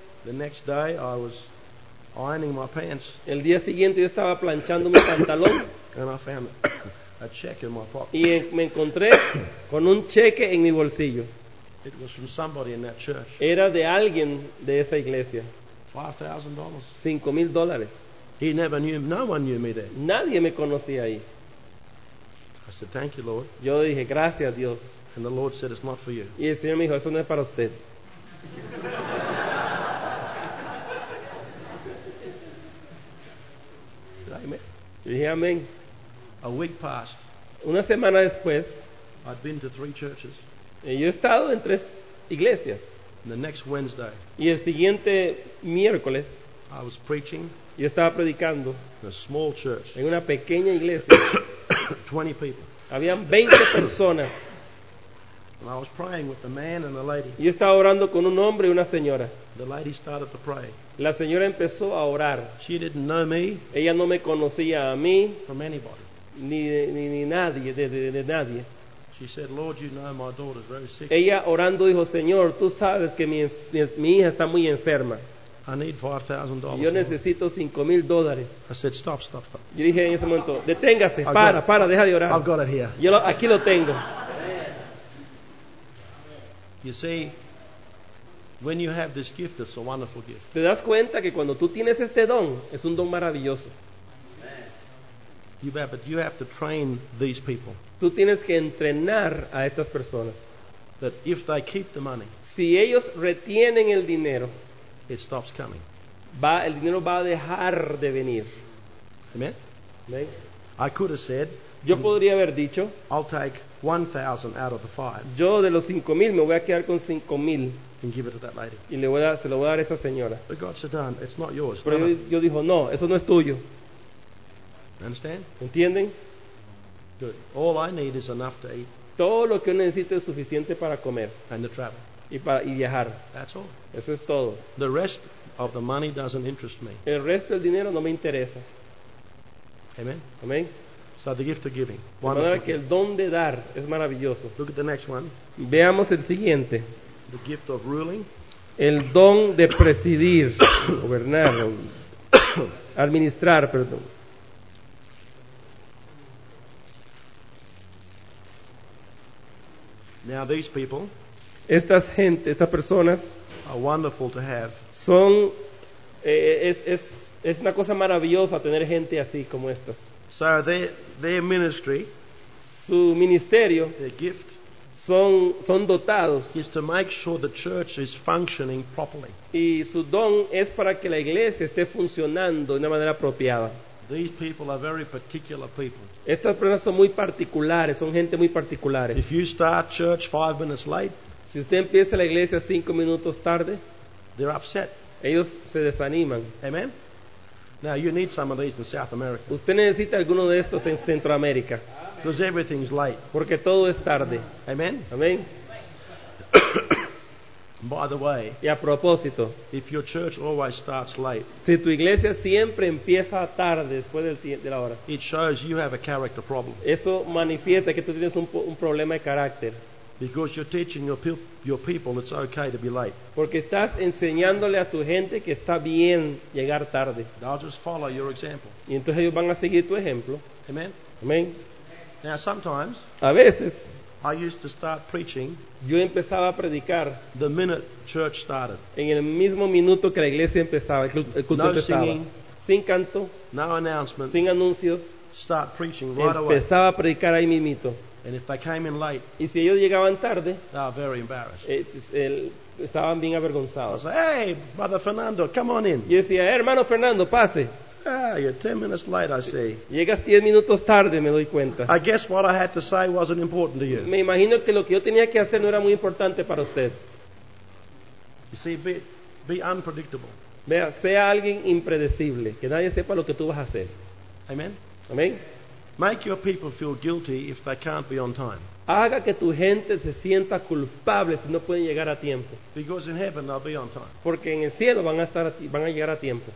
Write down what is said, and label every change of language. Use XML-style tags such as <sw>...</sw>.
<en>The next day I was ironing my pants.</en> <es>El día siguiente yo estaba planchando mi pantalón.</es> <en>And I found a check in my pocket.</en> <es>Y me encontré con un cheque en mi bolsillo.</es> <en>It was from somebody in that church.</en> <es>Era de alguien de esa iglesia.</es> <en>$5,000.</en> <es>$5,000.</es> <en>He never knew. No one knew me there.</en> <es>Nadie me conocía ahí.</es> <en>I said, "Thank you, Lord."</en> <es>Yo dije, "Gracias, Dios."</es> <en>And the Lord said, "It's not for you."</en> <es>Y el Señor me dijo, "Eso no es para usted."</es> <en>Amen. A week passed.</en> <es>Una semana después,</es> <en>I'd been to three churches.</en> <es>Y yo he estado en tres iglesias.</es> <en>And the next Wednesday,</en> <es>y el siguiente miércoles,</es> <en>I was preaching.</en> <es>Yo estaba predicando.</es> <en>In a small church.</en> <es>En una pequeña iglesia.</es> <en>20 people.</en> <es>Habían 20 personas.</es> <en>And I was praying with the man and the lady.</en> <es>Yo estaba orando con un hombre y una señora.</es> <en>The lady started to pray.</en> <es>La señora empezó a orar.</es> <en>She didn't know me.</en> <es>Ella no me conocía a mí.</es> <en>From anybody.</en> <es>Ni nadie, de nadie.</es> <en>She said, "Lord, you know my daughter's very sick."</en> <es>Ella orando dijo, "Señor, tú sabes que mi hija está muy enferma."</es> <en>I need $5,000.</en> <es>Yo necesito $5,000.</es> <en>I said, "Stop, stop, stop."</en> <es>Yo dije en ese momento, deténgase, para, deja de orar.</es> <en>I've got it here.</en> <es>Yo aquí lo tengo.</es> <en>You see, when you have this gift, it's a wonderful gift.</en> <es>Te das cuenta que cuando tú tienes este don, es un don maravilloso.</es> <en>You bet, but you have to train these people.</en> <es>Tú tienes que entrenar a estas personas.</es> <en>That if they keep the money,</en> <es>Si ellos retienen el dinero,</es> <en>it stops coming.</en> <es>Va, el dinero va a dejar de venir.</es> <en>Amen.</en> <es>Amen.</es> <en>I could have said,</en> <es>yo podría haber dicho,</es> <en>I'll take 1,000 out of the 5.</en> <es>Yo de los 5,000 me voy a quedar con 5,000.</es> <en>And give it to that lady.</en> <es>Y le voy a, se lo voy a dar a esa señora.</es> <en>But God said, no, it's not yours.</en> <es>Pero yo, yo dijo, no, eso no es tuyo.</es> <en>Understand?</en> <es>¿Entienden?</es> <en>Good. All I need is enough to eat.</en> <es>Todo lo que necesito es suficiente para comer.</es> <en>And to travel.</en> <es>Y para y viajar.</es> <en>That's all.</en> <es>Eso es todo.</es> <en>The rest of the money doesn't interest me.</en> <es>El resto del dinero no me interesa.</es> <en>Amen.</en> <es>Amen.</es> <en>So the gift of giving.</en> <es>De manera que el don de dar es maravilloso.</es> <en>Look at the next one.</en> <es>Veamos el siguiente.</es> <en>The gift of ruling.</en> <es>El don de presidir, gobernar, administrar, perdón.</es> <en>Now these people,</en> <es>estas gente, estas personas,</es> <en>are wonderful to have.</en> <es>Son es una cosa maravillosa tener gente así como estas.</es> <en>So their ministry,</en> <es>su ministerio,</es> <en>their gift,</en> <es>son dotados,</es> <en>is to make sure the church is functioning properly.</en> <es>Y su don es para que la iglesia esté funcionando de una manera apropiada.</es> <en>These people are very particular people.</en> <es>Estas personas son muy particulares, son gente muy particulares.</es> <en>If you start church 5 minutes late,</en> <es>si usted empieza la iglesia 5 minutos tarde,</es> <en>they're upset.</en> <es>Ellos se desaniman.</es> <en>Amen. Now you need some of these in South America.</en> <es>Usted necesita alguno de estos en Centroamérica.</es> <en>Because everything's late.</en> <es>Porque todo es tarde.</es> <en>Amen.</en> <es>Amen.</es> <en>By the way,</en> <es>y a propósito,</es> <en>if your church always starts late,</en> <es>si tu iglesia siempre empieza tarde después de la hora,</es> <en>it shows you have a character problem.</en> <es>Eso manifiesta que tú tienes un problema de carácter.</es> <en>Because you're teaching your people it's okay to be late.</en> <es>Porque estás enseñándole a tu gente que está bien llegar tarde.</es> <en>They'll just follow your example.</en> <es>Y entonces ellos van a seguir tu ejemplo.</es> <en>Amen.</en> <es>Amen.</es> <en>Now sometimes,</en> <es>a veces,</es> <en>I used to start preaching.</en> <es>Yo empezaba a predicar.</es> <en>The minute church started.</en> <es>En el mismo minuto que la iglesia empezaba, el culto no empezaba.</es> <en>Singing,</en> <es>sin canto.</es> <en>No announcement.</en> <es>Sin anuncios.</es> <en>Start preaching right</en> <es>empezaba</es> <en>away.</en> <es>Empezaba a predicar ahí mismito.</es> <en>And if they came in late.</en> <es>Y si ellos llegaban tarde.</es> <en>They were very embarrassed.</en> <es>Estaban bien avergonzados.</es> <en>I said, "Hey, Brother Fernando, come on in."</en> <es>Y yo decía, "Hermano Fernando, pase."</es> <en>Ah, you're 10 minutes late, I see.</en> <es>Llegas 10 minutos tarde, me doy cuenta.</es> <en>I guess what I had to say wasn't important to you.</en> <es>Me imagino que lo que yo tenía que hacer no era muy importante para usted.</es> <en>You see, be unpredictable.</en> <es>Vea, sea alguien impredecible, que nadie sepa lo que tú vas a hacer.</es> <en>Amen.</en> <es>Amen.</es> <en>Make your people feel guilty if they can't be on time.</en> <es>Haga que tu gente se sienta culpable si no pueden llegar a tiempo.</es> <en>Because in heaven they'll be on time.</en> <es>Porque en el cielo van a llegar a tiempo.</es>